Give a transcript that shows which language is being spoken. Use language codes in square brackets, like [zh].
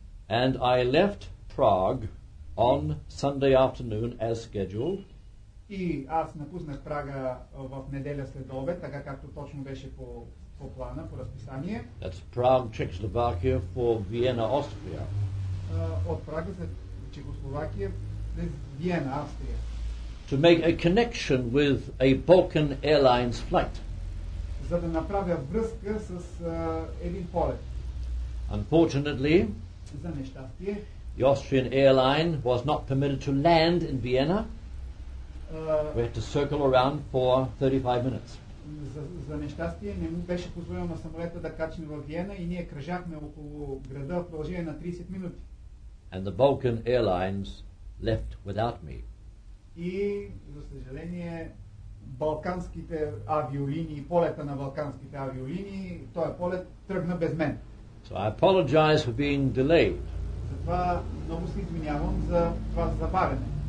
[en] And I left Prague on Sunday afternoon as scheduled. [bg] И аз напуснах Прага в неделя след обед, така както точно беше по по плана, по разписание. [en] That's Prague, Czechoslovakia for Vienna, Austria. [bg] От Прага за Чехословакия през Виена, Австрия. [en] To make a connection with a Balkan Airlines flight. [bg] За да направя връзка с един полет. [en] Unfortunately, [bg] за нещастие, [en] the Austrian airline was not permitted to land in Vienna. We had to circle around for 35 minutes. [bg] За нещастие не му беше позволено самолета да качи във Виена и ние кръжахме около града в продължение на 30 минути. [en] and the Balkan Airlines left without me. [bg] И, за съжаление, балканските авиолинии, полета на балканските авиолинии, тоя полет тръгна без мен. [en] So I apologize for being delayed. [bg] Затова много се извинявам за това забавяне.